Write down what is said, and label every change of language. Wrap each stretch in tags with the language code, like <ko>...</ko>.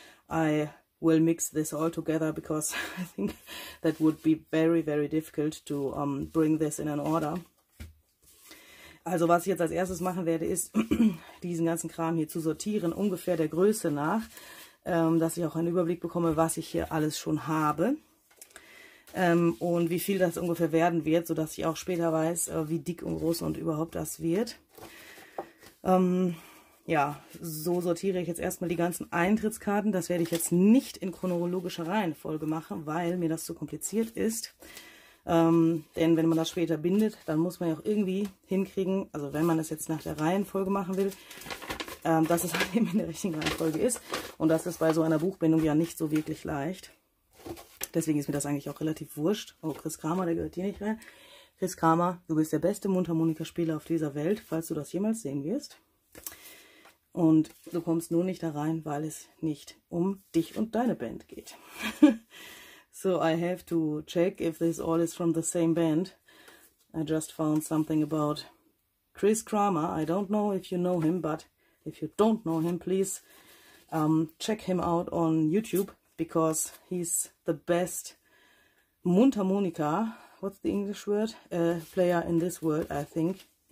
<en>I will mix this all together because I think that would be very, very difficult to bring this in an order.</en> <de>Also was ich jetzt als erstes machen werde, ist diesen ganzen Kram hier zu sortieren, ungefähr der Größe nach, dass ich auch einen Überblick bekomme, was ich hier alles schon habe und wie viel das ungefähr werden wird, sodass ich auch später weiß, wie dick und groß und überhaupt das wird. So sortiere ich jetzt erstmal die ganzen Eintrittskarten. Das werde ich jetzt nicht in chronologischer Reihenfolge machen, weil mir das zu kompliziert ist. Denn wenn man das später bindet, dann muss man ja auch irgendwie hinkriegen, also wenn man das jetzt nach der Reihenfolge machen will, dass es halt eben in der richtigen Reihenfolge ist. Und das ist bei so einer Buchbindung ja nicht so wirklich leicht. Deswegen ist mir das eigentlich auch relativ wurscht. Oh, Chris Kramer, der gehört hier nicht rein. Chris Kramer, du bist der beste Mundharmonikaspieler auf dieser Welt, falls du das jemals sehen wirst. Und du kommst nur nicht da rein, weil es nicht um dich und deine Band geht.</de> <en>So I have to check if this all is from the same band. I just found something about Chris Kramer. I don't know if you know him, but if you don't know him, please check him out on YouTube, because he's the best Mundharmonika, what's the English word, player in this world, I think.</en>